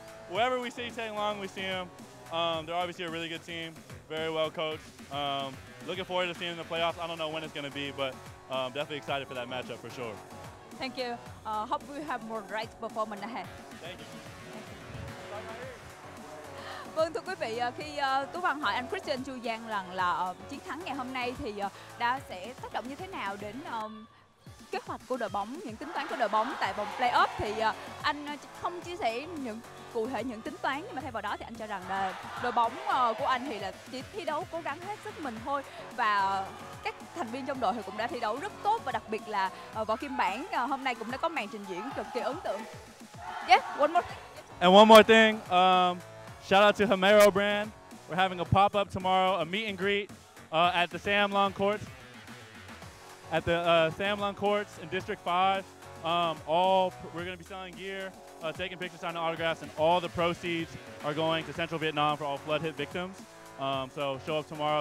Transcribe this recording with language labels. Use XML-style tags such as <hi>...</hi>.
<en>Wherever we see Thang Long, we see him. They're obviously a really good team, very well coached. Looking forward to seeing them in the playoffs. I don't know when it's going to be, but definitely excited for that matchup for sure. Thank you. Hope we have more great performance ahead. Thank you.</en> <vi>Vâng, thưa quý vị, khi Tú Văn hỏi anh Kristen Yuzhang rằng là chiến thắng ngày hôm nay thì đã sẽ tác động như thế nào đến kế hoạch của đội bóng, những tính toán của đội bóng tại vòng playoff, thì anh không chia sẻ những cụ thể những tính toán, nhưng mà thay vào đó thì anh cho rằng là đội bóng của anh thì là chỉ thi đấu cố gắng hết sức mình thôi, và các thành viên trong đội thì cũng đã thi đấu rất tốt, và đặc biệt là Võ Kim Bảng hôm nay cũng đã có màn trình diễn cực kỳ ấn tượng.</vi> <en>Yeah, one more thing. And one more thing, shout out to Homero Brand. We're having a pop-up tomorrow, a meet and greet at the Sam Long Courts. At the Sam Long Courts in District 5, we're going to be selling gear, taking pictures, signing autographs, and all the proceeds are going to Central Vietnam for all flood hit victims. So show up tomorrow.</en>